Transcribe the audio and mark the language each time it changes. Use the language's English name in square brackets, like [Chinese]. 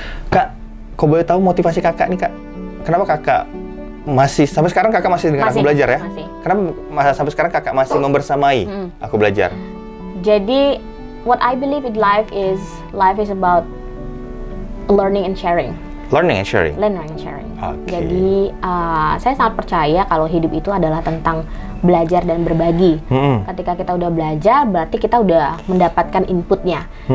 [Indonesian] Kak, kok boleh tahu motivasi kakak nih kak? Kenapa kakak masih sampai sekarang kakak masih dengan aku belajar ya? Kenapa sampai sekarang kakak masih membersamai aku belajar? Jadi [English] what I believe in life is about learning and sharing. Learning and sharing. Okay. [Indonesian] Jadi saya sangat percaya kalau hidup itu adalah tentang belajar dan berbagi. Ketika kita udah belajar, berarti kita udah mendapatkan inputnya.